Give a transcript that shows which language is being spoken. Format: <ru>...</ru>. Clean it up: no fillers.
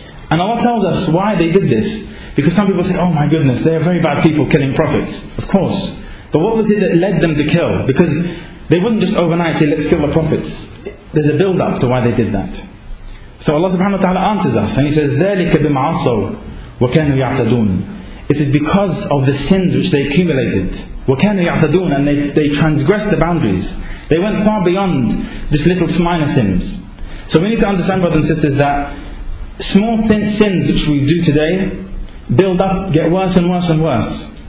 <en>And Allah tells us why they did this. Because some people say, oh my goodness, they are very bad people killing prophets. Of course. But what was it that led them to kill? Because they wouldn't just overnight say, let's kill the prophets. There's a build up to why they did that. So Allah subhanahu wa ta'ala answers us. And He says,</en> <ar>ذَلِكَ بِمَعَصَوْا وَكَانُوا يَعْتَدُونَ.</ar> <en>It is because of the sins which they accumulated.</en> <ar>وَكَانُوا يَعْتَدُونَ.</ar> <en>And they transgressed the boundaries. They went far beyond just little minor sins. So we need to understand, brothers and sisters, that small sins which we do today build up, get worse and worse and worse.</en>